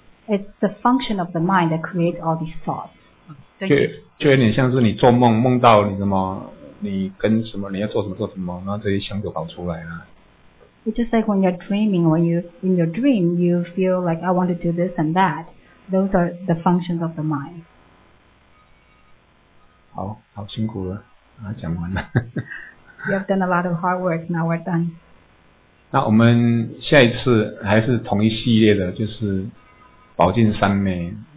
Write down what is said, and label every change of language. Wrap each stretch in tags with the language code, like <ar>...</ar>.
<en>It's the function of the mind that creates all these thoughts. Thank you.</en> <zh>就有点像是你做梦，梦到你什么，你跟什么，你要做什么做什么，然后这些想就跑出来了。</zh> <en>It's just like when you're dreaming, when you, in your dream, you feel like, I want to do this and that. Those are the functions of the mind.</en> <zh>好好辛苦了啊，讲完了。</zh> <en>You have done a lot of hard work, now we're done.</en> <zh>那我们下一次还是同一系列的，就是宝镜三昧。</zh>